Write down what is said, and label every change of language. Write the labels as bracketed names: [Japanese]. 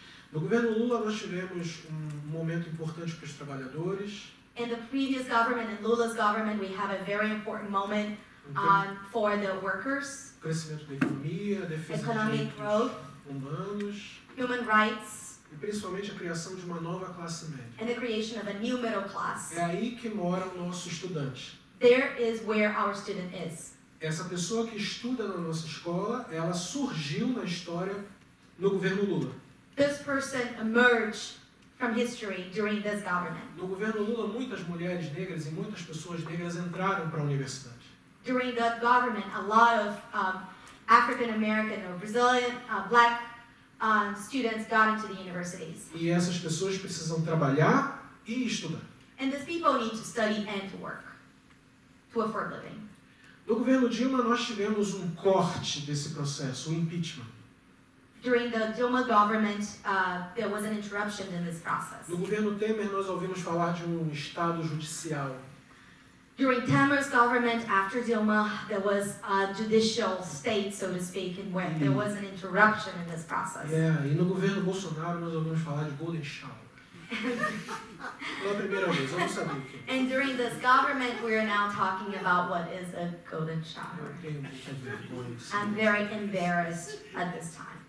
[Portuguese] No governo Lula nós tivemos um momento importante para os trabalhadores. [English] In the previous government, in Lula's government, we have a very important moment for the workers. [Portuguese] Crescimento da economia, defesa dos direitos humanos. [English] Human rights. [Portuguese] E principalmente a criação de uma nova classe média. [English] And the creation of a new middle class. [Portuguese] É aí que mora o nosso estudante. [English] There is where our student is. [Portuguese] Essa pessoa que estuda na nossa escola, ela surgiu na história no governo Lula. [English] This person emerged from history during this government. [Portuguese] No governo Lula, muitas mulheres negras e muitas pessoas negras entraram para a universidade. [English] During that government, a lot of African American or Brazilian black students got into the universities. [Portuguese] E essas pessoas precisam trabalhar e estudar. [English] And these people need to study and to work to afford living. [Portuguese] No governo Dilma, nós tivemos corte desse processo, impeachment. [English] During the Dilma government, there was an interruption in this process. [Portuguese] No governo Temer, nós ouvimos falar de estado judicial. [English] During Temer's government, after Dilma, there was a judicial state, so to speak, in where there was an interruption in this process. [Portuguese] Yeah, e no governo Bolsonaro, nós ouvimos falar de golden shower. [English] And during this government, we are now talking about what is a golden shower. I'm very embarrassed at this time.